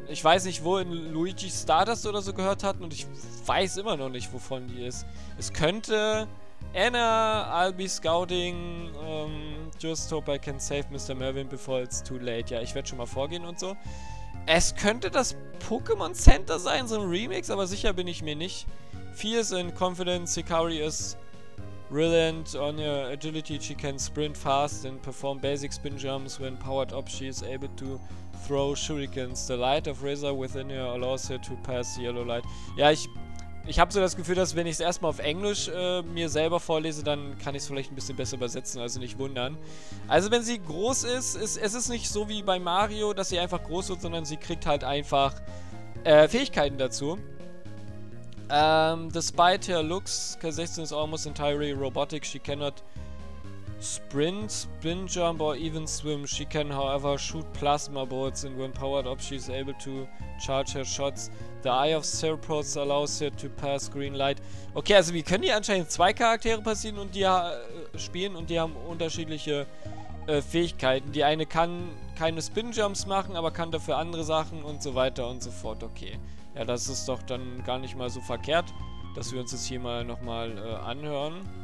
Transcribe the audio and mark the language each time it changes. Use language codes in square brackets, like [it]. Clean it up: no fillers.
[de] Ich weiß nicht, wo in Luigi Stardust oder so gehört hatten. Und ich weiß immer noch nicht, wovon die ist. Es könnte... [en] Anna, I'll be scouting. Just hope I can save Mr. Mervin before it's too late. [de] Ja, ich werde schon mal vorgehen und so. Es könnte das Pokémon Center sein, so ein Remix. Aber sicher bin ich mir nicht. [en] Fierce and confident, Sikari is brilliant on her agility. She can sprint fast and perform basic spin jumps. When powered up, she is able to throw shurikens. The light of Reza within her allows her to pass the yellow light. [de] Ja, ich habe so das Gefühl, dass wenn ich es erstmal auf Englisch mir selber vorlese, dann kann ich es vielleicht ein bisschen besser übersetzen, also nicht wundern. Also wenn sie groß ist, es ist nicht so wie bei Mario, dass sie einfach groß wird, sondern sie kriegt halt einfach Fähigkeiten dazu. [en] Despite her looks, K16 is almost entirely robotic. She cannot sprint, spin jump or even swim. She can, however, shoot plasma bolts and when powered up, she is able to charge her shots. The Eye of Seraphos allows her to pass green light. [de] Okay, also wir können hier anscheinend zwei Charaktere passieren und die spielen und die haben unterschiedliche Fähigkeiten. Die eine kann keine Spin Jumps machen, aber kann dafür andere Sachen und so weiter und so fort. Okay. Ja, das ist doch dann gar nicht mal so verkehrt, dass wir uns das hier mal nochmal anhören.